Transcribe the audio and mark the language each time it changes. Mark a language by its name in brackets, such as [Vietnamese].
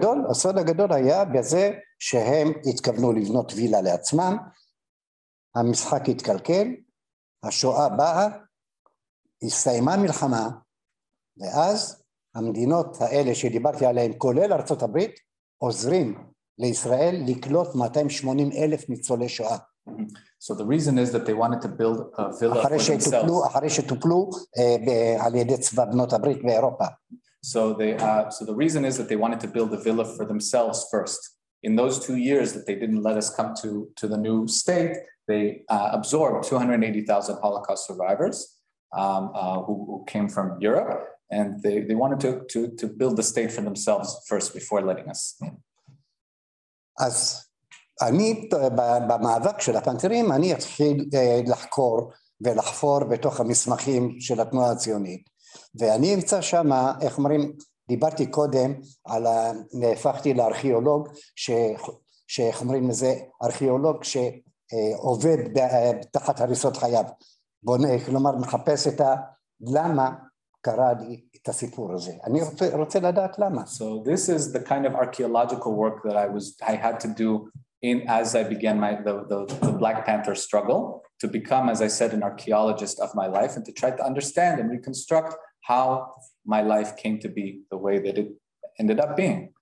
[Hebrew] הסוד הגדול היה בזה שהם התכוונו לבנות וילה לעצמם, המשחק התקלקל, השואה באה, הסתיימה מלחמה, ואז המדינות האלה שדיברתי עליהן, כולל ארצות הברית, עוזרים לישראל לקלוט 280,000 ניצולי שואה. [English] So the reason is that they wanted to build a villa for themselves. [Hebrew] אחרי שטופלו על ידי צבא בנות הברית באירופה. [English] So the reason is that they wanted to build a villa for themselves first. In those 2 years that they didn't let us come to the new state, they absorbed 280,000 Holocaust survivors who came from Europe, and they wanted to build the state for themselves first before letting us in. [Hebrew] אז אני במאבק של הפנתרים, אני אתחיל לחקור ולחפור בתוך המסמכים של התנועה הציונית. ואני אמצא שם, איך אומרים, דיברתי קודם על נהפכתי לארכיאולוג, שאיך אומרים לזה, ארכיאולוג שעובד תחת הריסות חייו. בוא, כלומר, מחפש את למה קרה לי את הסיפור הזה. אני רוצה לדעת למה. [English] So this is the kind of archaeological work that I had to do as I began the Black Panther struggle to become, as I said, an archaeologist of my life and to try to understand and reconstruct how my life came to be the way that it ended up being.